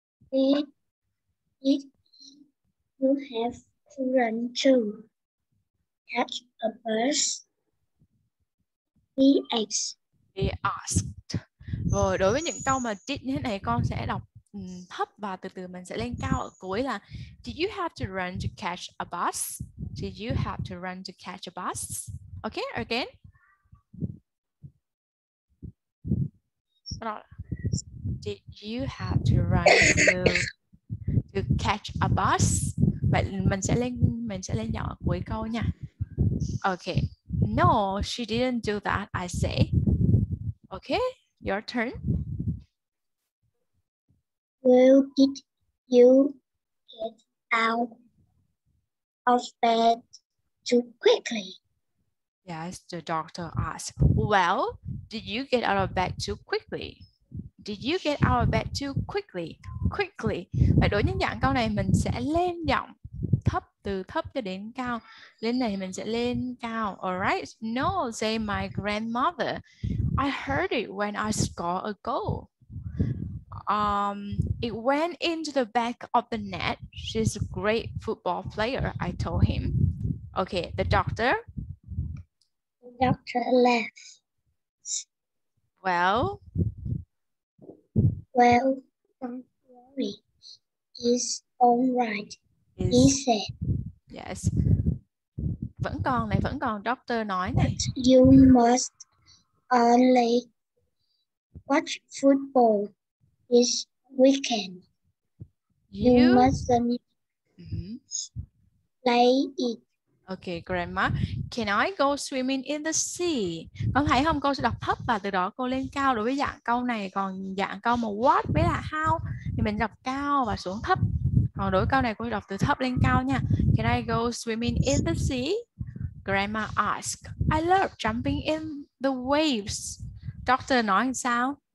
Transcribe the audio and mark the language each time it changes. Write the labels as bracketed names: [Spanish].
[English] If you have to run to catch a bus, he asked. [Vietnamese] Rồi, đối với những câu mà did như thế này, con sẽ đọc thấp và từ từ mình sẽ lên cao ở cuối là [English] did you have to run to catch a bus? Did you have to run to catch a bus? Okay, again. Did you have to run to catch a bus? [Vietnamese] Vậy mình sẽ lên giọng ở cuối câu nha. [English] Okay. No, she didn't do that, I say. Okay, your turn. Well, did you get out of bed too quickly? Yes, the doctor asked. Well, did you get out of bed too quickly? Did you get out of bed too quickly? Quickly. [Vietnamese] Vậy đối với những dạng câu này mình sẽ lên giọng thấp từ thấp cho đến cao. Lên này mình sẽ lên cao. [English] Alright. No, say my grandmother. I heard it when I scored a goal. It went into the back of the net. She's a great football player, I told him. Okay, the doctor? The doctor left. Well? Well, don't worry. He's all right, he said. [Vietnamese] Yes. Vẫn còn này, vẫn còn. Doctor nói này. [English] But you must only watch football this weekend. You mustn't play it. Okay, Grandma, can I go swimming in the sea? [Vietnamese] Con thấy không? Cô sẽ đọc thấp và từ đó cô lên cao đối với dạng câu này. Còn dạng câu mà what với là how thì mình đọc cao và xuống thấp. Còn đối với câu này cô sẽ đọc từ thấp lên cao nha. [English] Can I go swimming in the sea? Grandma asked. I love jumping in the waves. Doctor [Vietnamese] nói sao?